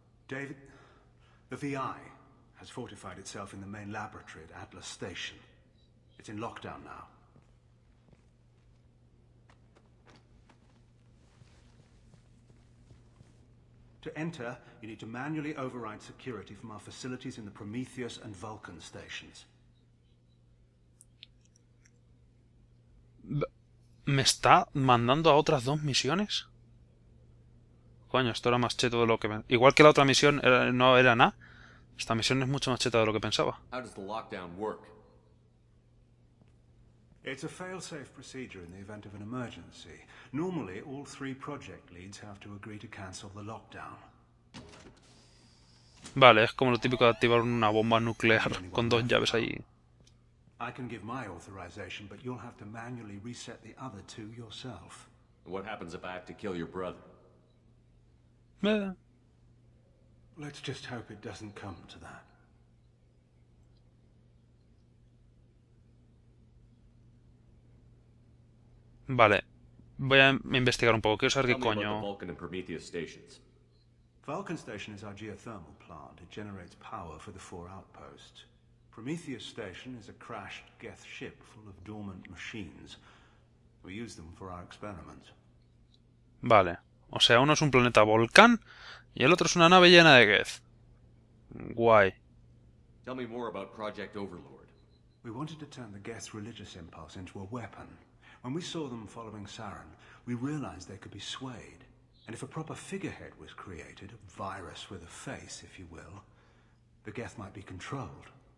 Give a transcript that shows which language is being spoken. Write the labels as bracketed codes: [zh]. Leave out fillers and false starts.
[en] David, the VI has fortified itself in the main laboratory at Atlas Station. It's in lockdown now. To enter, you need to manually override security from our facilities in the Prometheus and Vulcan stations. [es] ¿Me está mandando a otras dos misiones? Coño, esto era más cheto de lo que... Igual que la otra misión era, no era nada. Esta misión es mucho más cheta de lo que pensaba. [en] How does the lockdown work? It's a fail-safe procedure in the event of an emergency. Normally, all three project leads have to agree to cancel the lockdown. [es] Vale, es como lo típico de activar una bomba nuclear con dos llaves ahí. [en] I can give my authorization, but you'll have to manually reset the other two yourself. What happens if I have to kill your brother? Meh. Let's just hope it doesn't come to that. [es] Vale. Voy a investigar un poco. Quiero saber qué coño. [en] Vulcan and Prometheus stations. Vulcan Station is our geothermal plant. It generates power for the four outposts. Prometheus Station is a crashed Geth ship full of dormant machines. We use them for our experiments. [es] Vale. O sea, uno es un planeta volcán y el otro es una nave llena de Geth. Guay. [en] Tell me more about Project Overlord. We wanted to turn the Geth's religious impulse into a weapon. When we saw them following Saren, we realized they could be swayed. And if a proper figurehead was created, a virus with a face, if you will, the Geth might be controlled.